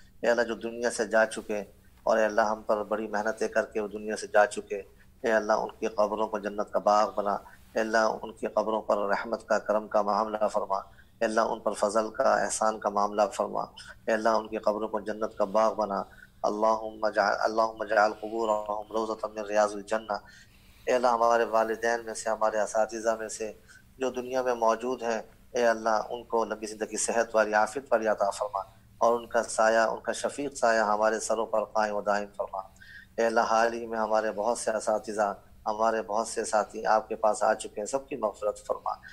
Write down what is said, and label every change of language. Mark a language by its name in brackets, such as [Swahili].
[Urdu] اے اللہ جو دنیا سے جا چکے اور اے اللہ ہم پر بڑی محنتیں کر کے وہ دنیا سے جا چکے، اے اللہ ان کی قبروں کو جنت کا باغ بنا. اے اللہ ان کی قبروں پر رحمت کا کرم کا معاملہ فرما. اے اللہ ان پر فضل کا احسان کا معاملہ فرما. اے اللہ ان کی قبروں کو جنت کا باغ بنا. [Arabic] اللهم اجعل قبورهم روضة من رياض الجنة. [Urdu] اے اللہ ہمارے والدین میں سے ہمارے اساتذہ میں سے جو دنیا میں موجود ہیں اے اللہ ان کو لمبی زندگی صحت والی عافیت والی عطا فرما اور ان کا سایہ ان کا شفیق سایہ ہمارے سروں پر قائم و دائم فرما. اے اللہ حال ہی میں ہمارے بہت سے اساتذہ ہمارے بہت سے ساتھی آپ کے پاس آ چکے ہیں سب کی مغفرت فرما.